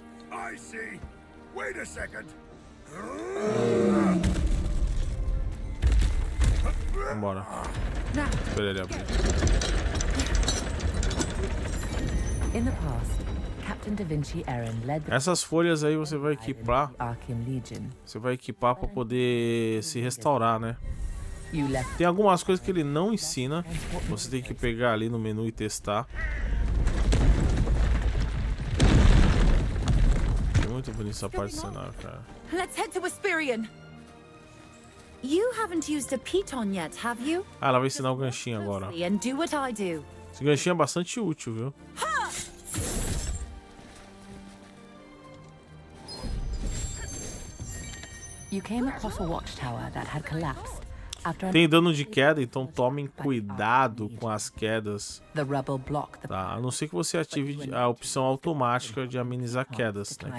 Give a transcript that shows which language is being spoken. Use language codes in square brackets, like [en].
[en] I see. Wait a second. [pt] Vambora. Espera ele abrir. [en] In the past, Captain Da Vinci Aaron led the... [pt] Essas folhas aí você vai equipar. Você vai equipar para poder se restaurar, né? Tem algumas coisas que ele não ensina. Você tem que pegar ali no menu e testar. É muito bonito essa parte do cenário, cara. [en] Let's head to Whisperion. You haven't used a piton yet, have you? [pt] Ah, ela vai ensinar o ganchinho agora. Esse ganchinho é bastante útil, viu? [en] You came across a watchtower that had collapsed. [pt] Tem dano de queda, então tomem cuidado com as quedas. Tá? A não ser que você ative a opção automática de amenizar quedas, né?